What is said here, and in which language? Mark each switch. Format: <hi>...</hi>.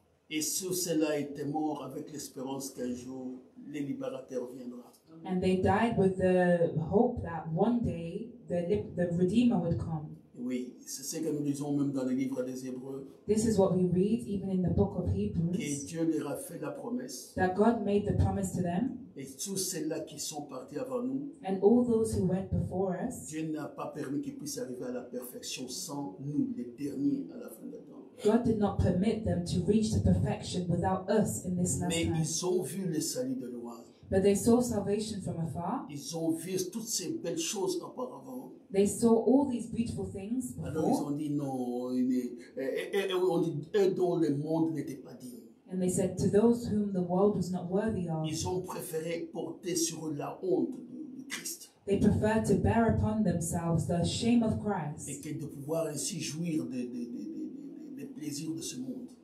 <fr>Et sous cela étaient morts avec l'espérance qu'un jour les libérateurs viendront.</fr> <en>And they died with the hope that one day the Redeemer would come.</en> <fr>Oui, c'est ce que nous lisons même dans le livre des Hébreux.</fr> <en>This is what we read even in the book of Hebrews.</en> <fr>Que Dieu leur a fait la promesse.</fr> <en>That God made the promise to them.</en> <fr>Et tous ceux-là qui sont partis avant nous.</fr> <en>And all those who went before us.</en> <fr>Dieu n'a pas permis qu'ils puissent arriver à la perfection sans nous, les derniers à la fin de temps.</fr> <en>God did not permit them to reach the perfection without us in this last time.</en> <fr>Mais ils ont vu le salut de loin.</fr> <en>But they saw salvation from afar.</en> <fr>Ils ont vu toutes ces belles choses auparavant.</fr> <en>They saw all these beautiful things before.</en> <fr>Alors ils ont dit non, et dont le monde n'était pas digne.</fr> <en>And they said to those whom the world was not worthy of.</en> <fr>Ils ont préféré porter sur eux la honte de Christ.</fr> <en>They preferred to bear upon themselves the shame of Christ.</en> <fr>Et que de pouvoir ainsi jouir des plaisirs de ce monde.</fr>